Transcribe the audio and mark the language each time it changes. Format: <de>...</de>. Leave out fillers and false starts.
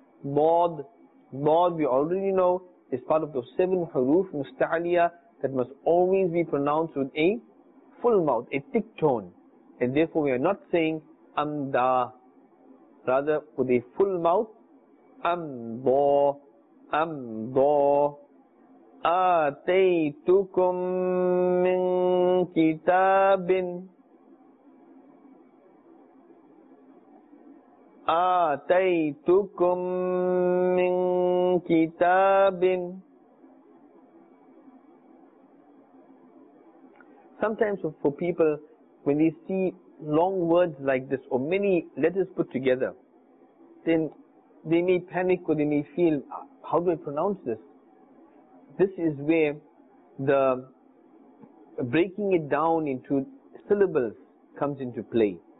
<en>Maud, we already know, is part of those seven huruf musta'aliyah that must always be pronounced with a full mouth, a thick tone. And therefore we are not saying amda, rather with a full mouth, ambo, ambo.</en> <ar>آتيتكم من كتاب آتيتكم من كتاب.</ar> <en>Sometimes for people, when they see long words like this or many letters put together, then they may panic or they may feel, how do I pronounce this? This is where the breaking it down into syllables comes into play.</en>